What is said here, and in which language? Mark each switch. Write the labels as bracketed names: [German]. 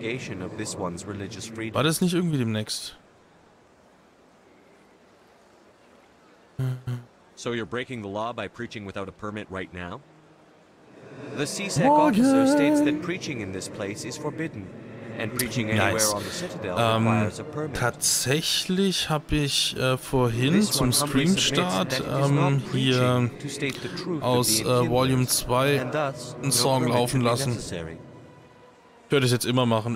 [German] War das nicht irgendwie demnächst? [English] So you're breaking the law by preaching without a permit right now? The CSEC officer states that preaching in this place is forbidden and preaching anywhere nice. On the Citadel requires a permit. [German] Tatsächlich habe ich vorhin zum Streamstart hier aus Volume 2 einen Song laufen lassen. Ich würde es jetzt immer machen.